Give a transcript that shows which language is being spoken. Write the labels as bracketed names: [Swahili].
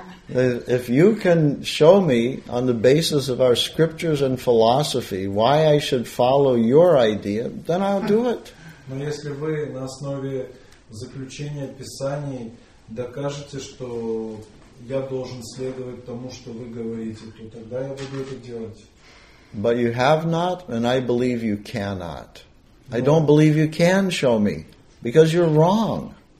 [English] If you can show me on the basis of our scriptures and philosophy why I should follow your idea, then I'll do it. [Russian] Но если вы на основе заключения Писаний докажете, что я должен следовать тому, что вы говорите, то тогда я буду это делать. [English] But you have not, and I believe you cannot. No. I don't believe you can show me, because you're wrong.